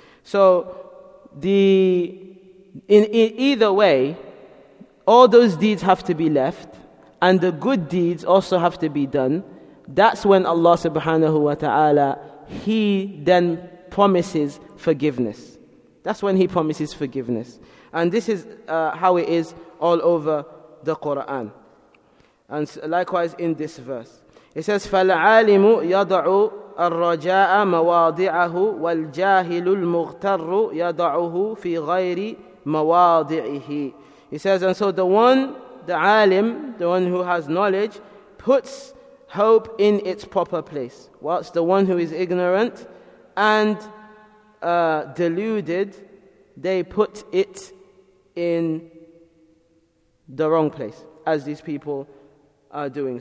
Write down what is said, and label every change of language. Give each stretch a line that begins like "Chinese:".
English: So, in either way, all those deeds have to be left, and the good deeds also have to be done. That's when Allah subhanahu wa ta'ala, He then promises forgiveness. That's when He promises forgiveness. And this is how it is all over the Quran. And likewise in this verse. It says,
Arabic: فَالْعَالِمُ يَضَعُ الرَّجَاءَ مَوَاضِعَهُ وَالْجَاهِلُ الْمُغْتَرُّ يَضَعُهُ فِي غَيْرِ مَوَاضِعِهِ.
English: He says, and so the one, the alim, the one who has knowledge, puts hope in its proper place. Whilst the one who is ignorant and deluded, they put it in the wrong place, as these people are doing.